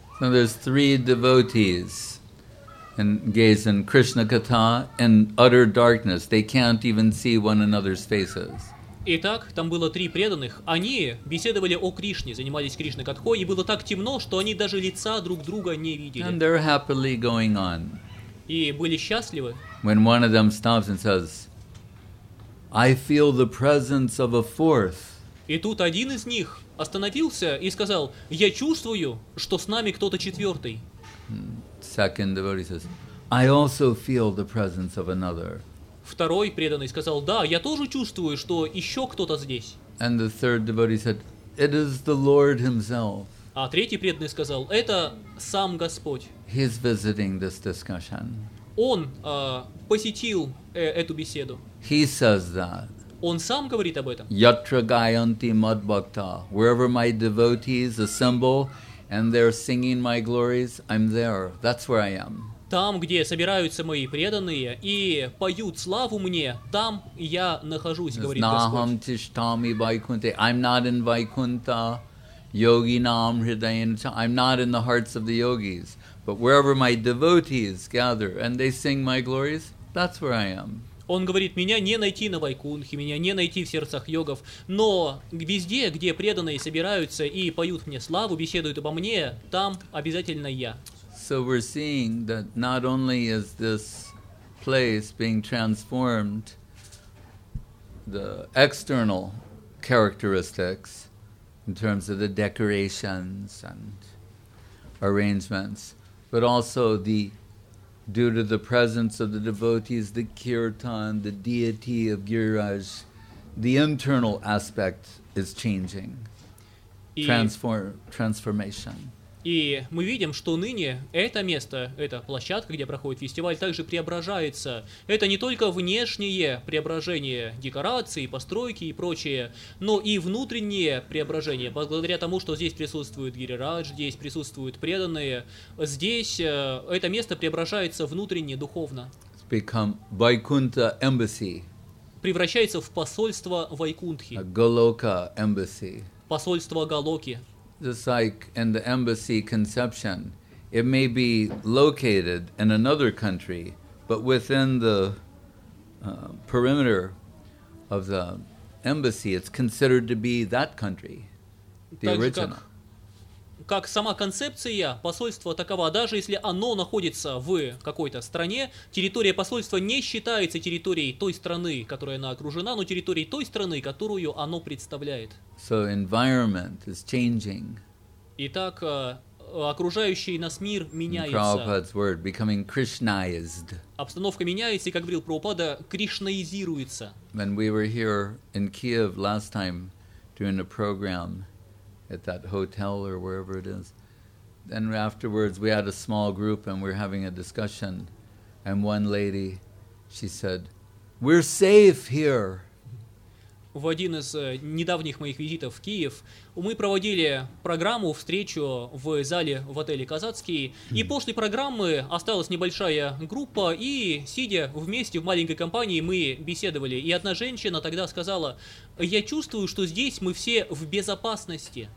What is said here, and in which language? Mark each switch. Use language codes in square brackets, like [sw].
[en] So there's three devotees engaged in Krishna katha in utter darkness. They can't even see one another's faces. [ru] Итак, там было три преданных. Они беседовали о Кришне, занимались Кришна-катхой, и было так темно, что они даже лица друг друга не видели. [en] And they're happily going on. [ru] И были счастливы. [en] When one of them stops and says, I feel the presence of a fourth. [ru] И тут один из них остановился и сказал, я чувствую, что с нами кто-то четвертый. [en] Second devotee says, I also feel the presence of another. [ru] Второй преданный сказал, да, я тоже чувствую, что еще кто-то здесь. [en] And the third devotee said, it is the Lord himself. [ru] А третий преданный сказал, это сам Господь. [en] He's visiting this discussion. [ru] Он посетил эту беседу. [en] He says that. [ru] Он сам говорит об этом. [sa] Yatra gayanti madbhakta, [en] wherever my devotees assemble, and they're singing my glories, I'm there. That's where I am. [ru] Там, где собираются мои преданные и поют славу мне, там я нахожусь, говорит Господь. [sa] Naham tishtami Vaikunte. [en] I'm not in Vaikunta, [sa] yoginam hridayena. [en] I'm not in the hearts of the yogis. But wherever my devotees gather and they sing my glories, that's where I am. [ru] Он говорит, меня не найти на Вайкунхе, меня не найти в сердцах йогов, но везде, где преданные собираются и поют мне славу, беседуют обо мне, там обязательно я. [en] So we're seeing that not only is this place being transformed, the external characteristics in terms of the decorations and arrangements, but also the due to the presence of the devotees, the kirtan, the deity of Giriraj, the internal aspect is changing, transformation. [ru] И мы видим, что ныне это место, эта площадка, где проходит фестиваль, также преображается. Это не только внешнее преображение декораций, постройки и прочее, но и внутреннее преображение. Благодаря тому, что здесь присутствует Гирирадж, здесь присутствуют преданные, здесь это место преображается внутренне, духовно. [en] It's become Vaikuntha embassy. [ru] Превращается в посольство Вайкунтхи. [en] Голока embassy. [ru] Посольство Голоки. [en] Just like in the embassy conception, it may be located in another country, but within the perimeter of the embassy, it's considered to be that country, the original. [ru] Как сама концепция посольства такова, даже если оно находится в какой-то стране, территория посольства не считается территорией той страны, которой она окружена, но территорией той страны, которую оно представляет. [en] So environment is changing. [ru] Итак, окружающий нас мир меняется. [en] In Prabhupada's word, becoming Krishnaized. [ru] Обстановка меняется, и, как говорил Прабхупада, кришнаизируется. [en] When we were here in Kiev last time during the program, at that hotel or wherever it is. Then afterwards we had a small group and we were having a discussion and one lady, she said, we're safe here. [ru] В один из недавних моих визитов в Киев мы проводили программу, встречу в зале в отеле «Казацкий». И после программы осталась небольшая группа, и, сидя вместе в маленькой компании, мы беседовали. И одна женщина тогда сказала, «Я чувствую, что здесь мы все в безопасности».